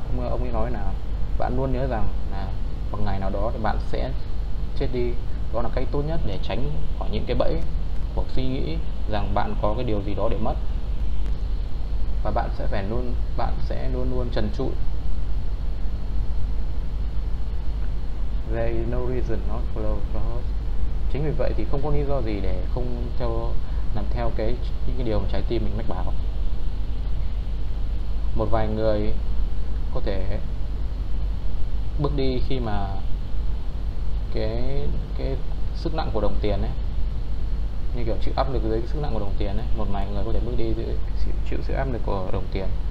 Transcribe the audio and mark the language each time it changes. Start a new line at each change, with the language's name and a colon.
Vietnamese: Ông ấy nói là bạn luôn nhớ rằng là một ngày nào đó thì bạn sẽ chết đi, đó là cách tốt nhất để tránh khỏi những cái bẫy hoặc suy nghĩ rằng bạn có cái điều gì đó để mất. Và bạn sẽ luôn luôn trần trụi.
English: There is no reason not to follow your heart.
Vietnamese: Chính vì vậy thì không có lý do gì để không làm theo những cái điều mà trái tim mình mách bảo. Một vài người có thể bước đi khi mà cái sức nặng của đồng tiền ấy, như kiểu chịu áp lực dưới cái sức nặng của đồng tiền ấy, một vài người có thể bước đi chịu sự áp lực của đồng tiền.